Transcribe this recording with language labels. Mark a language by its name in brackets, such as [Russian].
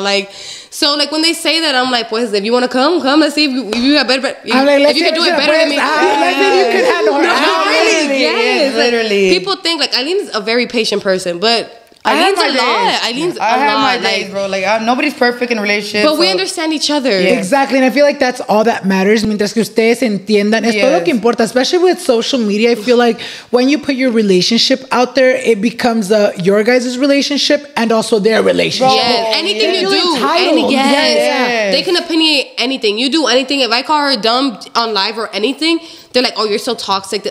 [English] Like, so like when they say that, I'm like, pues, if you want to come, let's see if you have better. If you can do it better than me. You can handle her. No, really? Yes. Literally. Like, people think like Ailyn's a very patient person, but Ailyn's a lot. Ailyn's a lot. I have my days, bro. Like, nobody's perfect in relationships. But we understand each other. Yeah. Exactly. And I feel like that's all that matters. [Spanish] Mientras que ustedes entiendan, es todo lo que importa. [English] Especially with social media, I feel like when you put your relationship out there, it becomes your guys' relationship and also their relationship. Yes. Anything you do. Yes. They can opinionate anything. You do anything. If I call her dumb on live or anything, they're like, oh, you're so toxic.